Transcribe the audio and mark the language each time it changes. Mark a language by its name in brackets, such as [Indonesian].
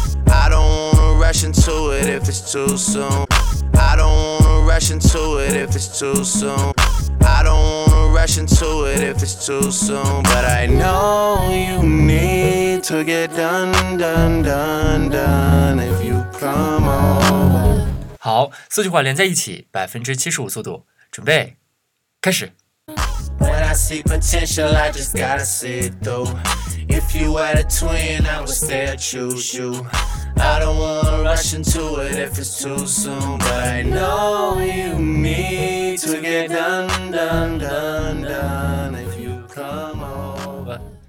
[English] I don't wanna rush into it if it's too soon. I don't wanna rush into it if it's too soon. I don't wanna rush into it if it's too soon. But I know you need to get done, done, done, done if you come over. [Chinese] 好，四句话连在一起，75%速度，准备。准备开始。 [English] When I see potential, I just gotta see it through. If you had a twin, I would stay or choose you. I don't wanna rush into it if it's too soon, but I know you need to get done, done, done, done if you come over.